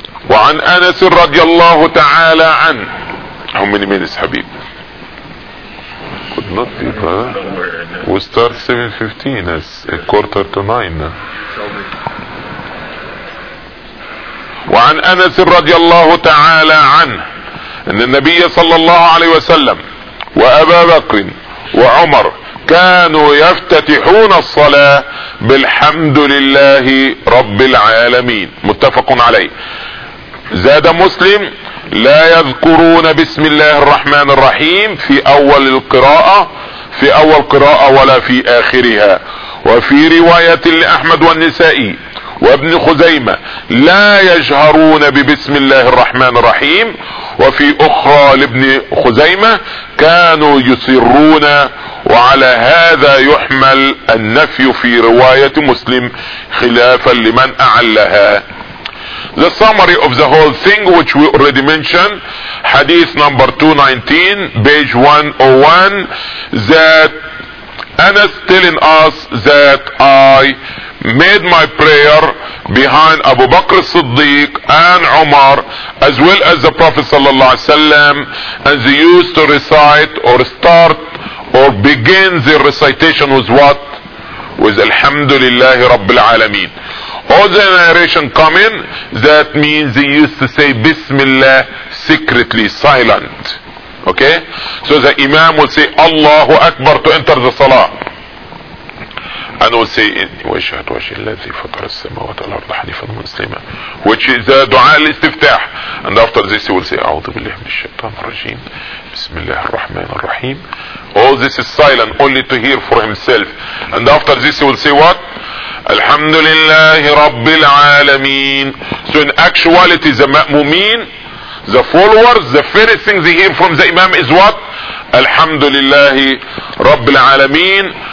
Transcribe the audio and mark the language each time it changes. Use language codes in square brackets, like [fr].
[ar] وعن أنس رضي الله تعالى عن. [en] How many minutes, Habib? Could not be, huh? We start 7:15, it's a quarter to nine. [ar] وعن أنس رضي الله تعالى عنه أن النبي صلى الله عليه وسلم وأبا بكر وعمر كانوا يفتتحون الصلاة بالحمد لله رب العالمين. متفق عليه. زاد مسلم لا يذكرون بسم الله الرحمن الرحيم في اول القراءة في اول قراءة ولا في اخرها. وفي رواية لاحمد والنسائي وابن خزيمة لا يجهرون ببسم الله الرحمن الرحيم. وفي اخرى لابن خزيمة كانوا يصرون. وعلى هذا يحمل النفي في رواية مسلم خلافا لمن اعلها. [en] The summary of the whole thing which we already mentioned, hadith number 219, page 101, that Anas telling us that I made my prayer behind Abu Bakr Siddiq and Umar as well as the Prophet sallallahu alaihi wasallam, and they used to recite or start or begin the recitation with what? With Alhamdulillahi Rabbil Alameen. All the narration coming, that means they used to say Bismillah secretly, silent. Okay? So the Imam will say Allahu Akbar to enter the Salah. And will say [ar] وَشَهَدْ وَشِهِ الَّذِي فَطَرَ السَّمَوَاتَ الْأَرْضَ حَنِيفًا مُسْلِمًا, [en] which is the dua al-istiftah. And after this he will say [ar] أَعُوذُ بِاللَّهِ مِنَ الشَّيْطَانِ الرَّجِيمِ بِسْمِ اللَّهِ الرَّحْمَنِ الرَّحِيمِ. [en] All this is silent, only to hear for himself. And after this he will say what? [ar] الحمد لله رب العالمين. [en] So in actuality the ma'mumin, the followers, the first thing they hear from the imam is what? [ar] الحمد لله رب العالمين.